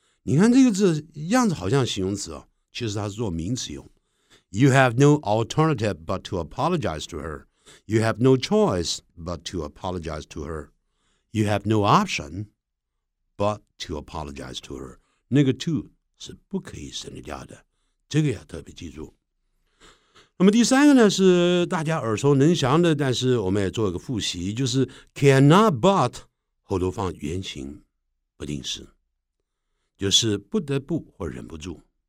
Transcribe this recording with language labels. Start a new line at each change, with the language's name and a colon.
Chinese: 你看这个字样子好像形容词哦其实它是做名词用。
English: You have no alternative but to apologize to her. You have no choice but to apologize to her. You have no option but to apologize to her.
Chinese: 那个 to 是不可以省略掉的，这个要特别记住。那么第三个呢，是大家耳熟能详的，但是我们也做一个复习，就是 cannot but 后头放原形不定式，就是不得不或忍不住。